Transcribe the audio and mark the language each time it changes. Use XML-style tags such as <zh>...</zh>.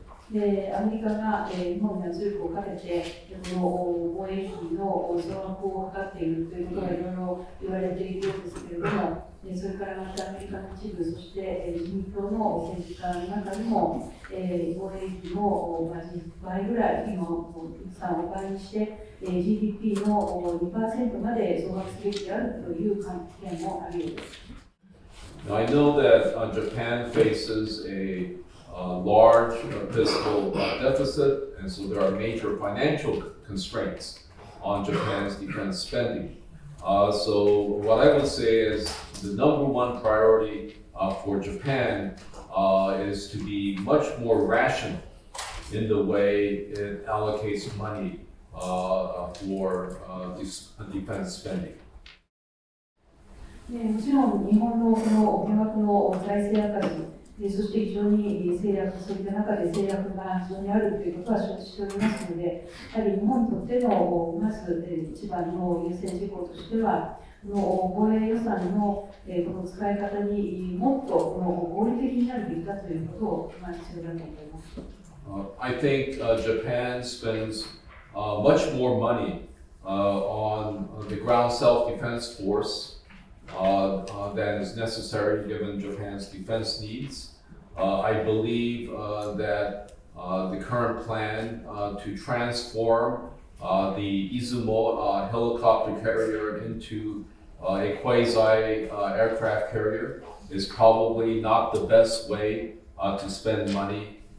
<ja>でアメリカが日本に圧力をかけて、この防衛費の増額を図っているということがいろいろ言われているようですけれども、それからまたアメリカの一部、そして自民党の政治家の中にも、防衛費の倍ぐらい、今、予算を倍にして、GDP の 2% まで増額すべきであるという観点もあるようです。</ja> <en>Now, I know that Japan faces a large fiscal deficit, and so there are major financial constraints on Japan's defense spending. So what I would say is the number one priority for Japan is to be much more rational in the way it allocates money for defense spending.</en> <ja>もちろん日本のこの巨額の財政赤字、そして非常に制約、そういった中で制約が非常にあるということは承知しておりますので、やはり日本にとってのまず一番の優先事項としては、この防衛予算のこの使い方にもっとこの合理的になるべきだということを必要だと思います。</ja> <en>I think Japan spends much more money on the ground self-defense force. That is necessary given Japan's defense needs. I believe that the current plan to transform the Izumo helicopter carrier into a quasi aircraft carrier is probably not the best way to spend money.</en>